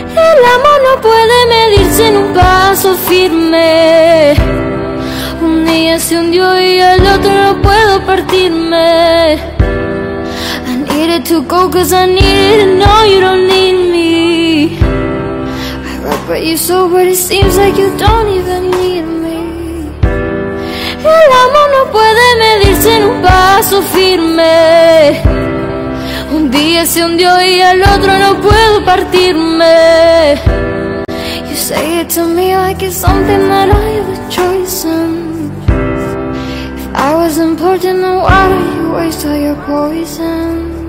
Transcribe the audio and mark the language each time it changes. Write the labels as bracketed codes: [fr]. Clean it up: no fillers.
[es] El amor no puede medirse en un paso firme. Un día se hundió y el otro no puedo partirme. [en] I needed to go cause I needed to know you don't need me. I regret you so but it seems like you don't even need me. [es] El amor no puede medirse en un paso firme. Un día se hundió y el otro no puedo partirme. [en] You say it to me like it's something that I have a choice in. I was important, then why do you waste all your poison?